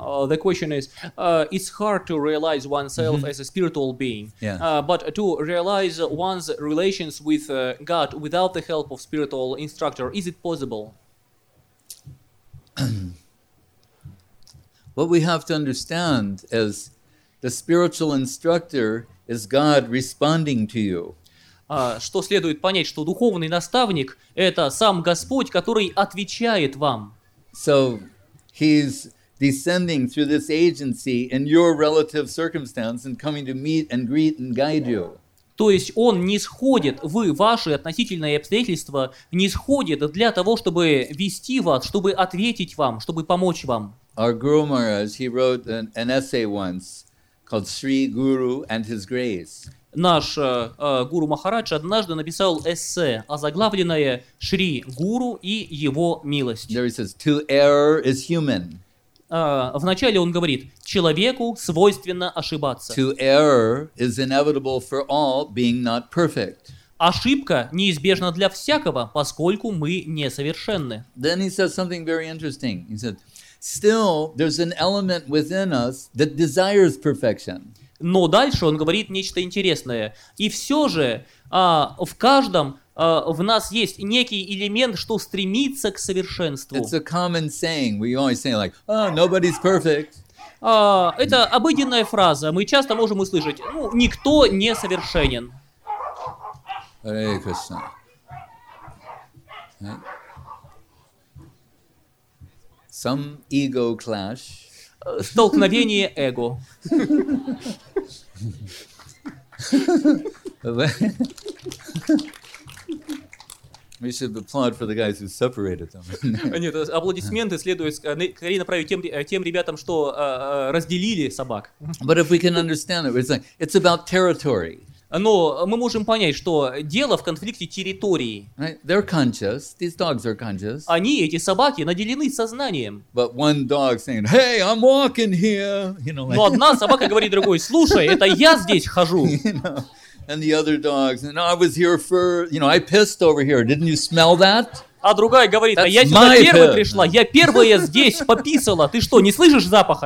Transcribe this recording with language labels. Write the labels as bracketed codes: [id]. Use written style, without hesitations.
[en] The question is, it's hard to realize oneself as a spiritual being, but to realize one's relations with God without the help of spiritual instructor, is it possible? What we have to understand is the spiritual instructor is God responding to you. [ru] Что следует понять, что духовный наставник — это сам Господь, который отвечает вам. [en] So he's descending through this agency in your relative circumstance and coming to meet and greet and guide you. [ru] То есть он нисходит в ваши относительные обстоятельства, нисходит для того, чтобы вести вас, чтобы ответить вам, чтобы помочь вам. [en] Our Guru Maharaj, he wrote an essay once called Sri Guru and His Grace. [ru] Наш Гуру Махарадж однажды написал эссе, озаглавленное «Шри Гуру и его милость». [en] There he says, to err is human. [ru] Вначале он говорит, человеку свойственно ошибаться. [en] To err is inevitable for all, being not perfect. [ru] Ошибка неизбежна для всякого, поскольку мы несовершенны. [en] Then he says something very interesting. He said, still, there's an element within us that desires perfection. [ru] Но дальше он говорит нечто интересное. И все же в каждом в нас есть некий элемент, что стремится к совершенству. [en] It's a common saying. We always say like, oh, nobody's perfect. [ru] Это обыденная фраза. Мы часто можем услышать, ну, никто не совершенен. [en] Hare Krishna. Some ego clash. [ru] Столкновение эго. [en] We should applaud for the guys who separated them. [ru] Нет, аплодисменты следует скорее направить тем ребятам, что разделили собак. [en] But if we can understand it, it's like it's about territory. [ru] Но мы можем понять, что дело в конфликте территории. [en] Right? They're conscious. These dogs are conscious. [ru] Они, эти собаки, наделены сознанием. [en] But one dog saying, hey, I'm walking here. You know, like... [ru] Но одна собака говорит другой, слушай, это я здесь хожу. You know? [en] And the other dog saying, I was here for, you know, I pissed over here. Didn't you smell that? [ru] А другая говорит, а я сюда первая pit. Пришла, я первая здесь пописала. Ты что, не слышишь запаха?